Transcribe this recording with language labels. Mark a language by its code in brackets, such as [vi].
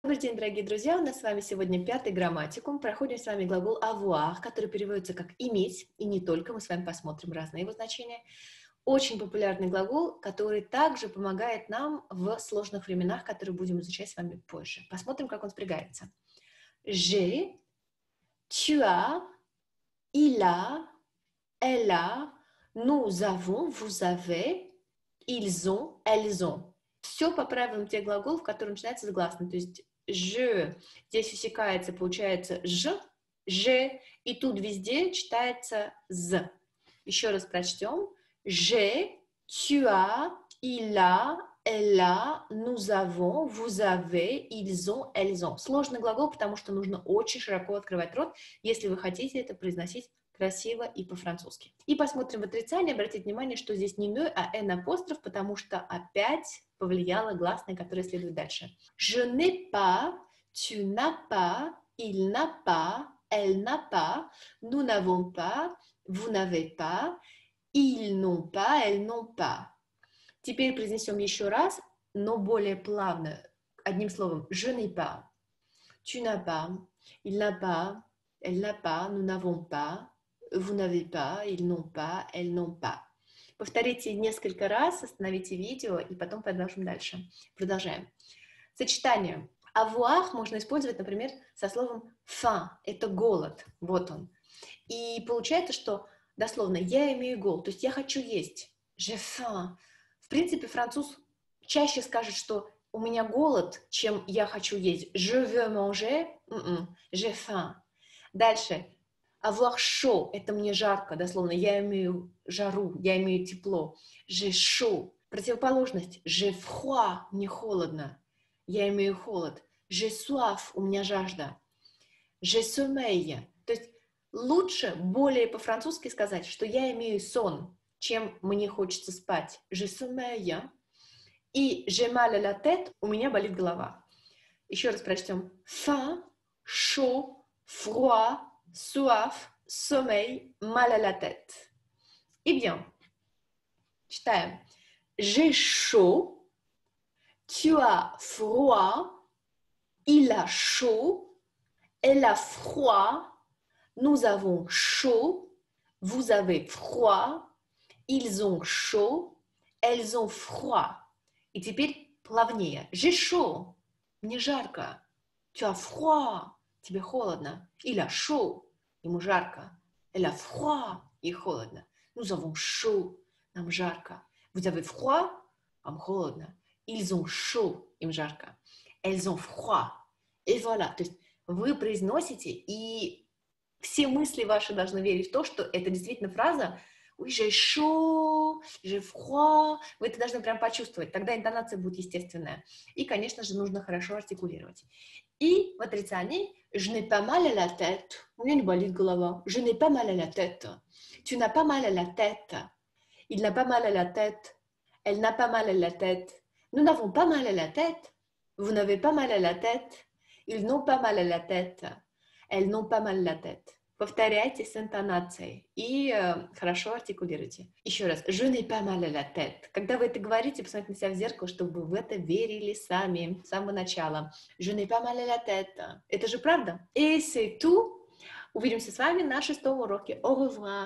[ru] Добрый день, дорогие друзья! У нас с вами сегодня пятый грамматикум. Проходим с вами глагол avoir, который переводится как иметь, и не только. Мы с вами посмотрим разные его значения. Очень популярный глагол, который также помогает нам в сложных временах, которые будем изучать с вами позже. Посмотрим, как он спрягается. [fr] J'ai, tu as, il a, elle a, nous avons, vous avez, ils ont, elles ont. [ru] Все по правилам тех глаголов, которые начинаются с гласных. То есть «je» здесь усекается, получается «ж», «же», и тут везде читается «з». Еще раз прочтем. [fr] «Je», «tu as», «il a», «elle a», «nous avons», «vous avez», «ils ont», «elles ont». [ru] Сложный глагол, потому что нужно очень широко открывать рот, если вы хотите это произносить красиво и по-французски. И посмотрим в отрицание. Обратите внимание, что здесь не «ne», а «n» апостроф, потому что опять повлияло гласное, которое следует дальше. [fr] Je n'ai pas, tu n'as pas, il n'a pas, elle n'a pas, nous n'avons pas, vous n'avez pas, ils n'ont pas, elles n'ont pas. [ru] Теперь произнесем еще раз, но более плавно. Одним словом, [fr] je n'ai pas, tu n'as pas, il n'a pas, elle n'a pas, nous n'avons pas, vous n'avez pas, ils n'ont pas, elles n'ont pas. [ru] Повторите несколько раз, остановите видео и потом продолжим дальше. Продолжаем. Сочетание. Avoir можно использовать, например, со словом faim. Это голод. Вот он. И получается, что дословно я имею голод. То есть я хочу есть. [fr] J'ai faim. [ru] В принципе, француз чаще скажет, что у меня голод, чем я хочу есть. [fr] Je veux manger. J'ai faim. [ru] Дальше. [fr] Avoir chaud [ru] – это мне жарко, дословно. Я имею жару, я имею тепло. [fr] J'ai chaud – [ru] противоположность. [fr] J'ai froid [ru] – мне холодно. Я имею холод. [fr] J'ai soif [ru] – у меня жажда. [fr] J'ai sommeil. [ru] То есть лучше более по-французски сказать, что я имею сон, чем мне хочется спать. [fr] J'ai sommeil. [ru] И [fr] j'ai mal à la tête [ru] – у меня болит голова. Еще раз прочтем. [fr] Faim, chaud, froid. Soif, sommeil, mal à la tête. Eh bien, [ru] читаем. [fr] J'ai chaud, tu as froid, il a chaud, elle a froid, nous avons chaud, vous avez froid, ils ont chaud, elles ont froid. Et [ru] теперь плавнее. [fr] J'ai chaud, [ru] мне жарко. [fr] Tu as froid, [ru] тебе холодно. [fr] Il a chaud. [ru] Ему жарко. [fr] Elle a froid. [ru] Ей холодно. [fr] Nous avons chaud. [ru] Нам жарко. [fr] Vous avez froid? [ru] Вам холодно. [fr] Ils ont chaud. [ru] Им жарко. [fr] Elles ont froid. Et voilà. [ru] То есть вы произносите, и все мысли ваши должны верить в то, что это действительно фраза [fr] «Oui, j'ai chaud», «j'ai froid». [ru] Вы это должны прям почувствовать. Тогда интонация будет естественная. И, конечно же, нужно хорошо артикулировать. И в отрицании [fr] «Je n'ai pas mal à la tête». [ru] У меня не болит голова. [fr] «Je n'ai pas mal à la tête». «Tu n'as pas mal à la tête». «Il n'a pas mal à la tête». «Elle n'a pas mal à la tête». «Nous n'avons pas mal à la tête». «Vous n'avez pas mal à la tête». «Ils n'ont pas mal à la tête». «Elles n'ont pas mal à la tête». [ru] Повторяйте с интонацией и хорошо артикулируйте. Еще раз. [fr] «Je n'ai pas mal à la tête». [ru] Когда вы это говорите, посмотрите на себя в зеркало, чтобы в это верили сами, с самого начала. [fr] «Je n'ai pas mal à la tête». [ru] Это же правда? [fr] Et c'est tout. [ru] Увидимся с вами на 6-м уроке. [fr] Au revoir.